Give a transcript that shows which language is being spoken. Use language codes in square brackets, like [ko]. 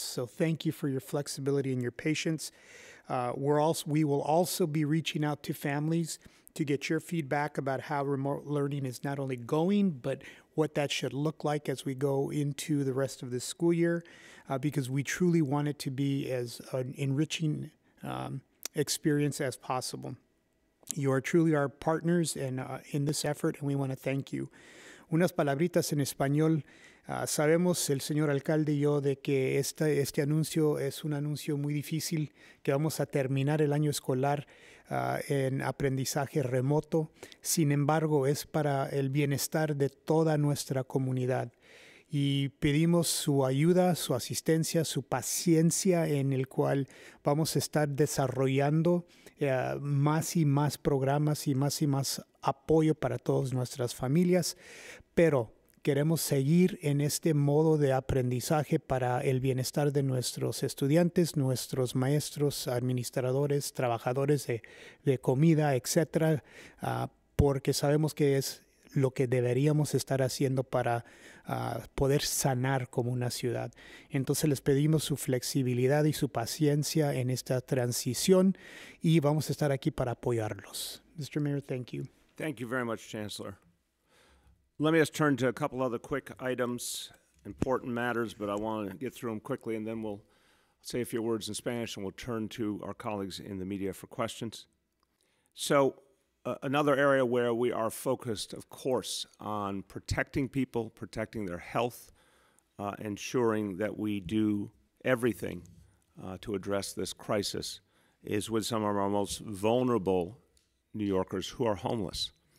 [en] So thank you for your flexibility and your patience. We will also be reaching out to families to get your feedback about how remote learning is not only going, but what that should look like as we go into the rest of the school year, because we truly want it to be as an enriching experience as possible. You are truly our partners and in this effort, and we want to thank you. [es] Unas palabritas en español. Sabemos, el señor alcalde y yo, de que este anuncio es un anuncio muy difícil, que vamos a terminar el año escolar en aprendizaje remoto. Sin embargo, es para el bienestar de toda nuestra comunidad. Y pedimos su ayuda, su asistencia, su paciencia, en el cual vamos a estar desarrollando más y más programas y más apoyo para todas nuestras familias. Pero queremos seguir en este modo de aprendizaje para el bienestar de nuestros estudiantes, nuestros maestros, administradores, trabajadores de comida, etcétera, porque sabemos que es lo que deberíamos estar haciendo para poder sanar como una ciudad. Entonces les pedimos su flexibilidad y su paciencia en esta transición y vamos a estar aquí para apoyarlos. [en] Mr. Mayor, thank you. Thank you very much, Chancellor. Let me just turn to a couple other quick items, important matters, but I want to get through them quickly, and then we'll say a few words in Spanish, and we'll turn to our colleagues in the media for questions. So another area where we are focused, of course, on protecting people, protecting their health, ensuring that we do everything to address this crisis, is with some of our most vulnerable New Yorkers who are homeless.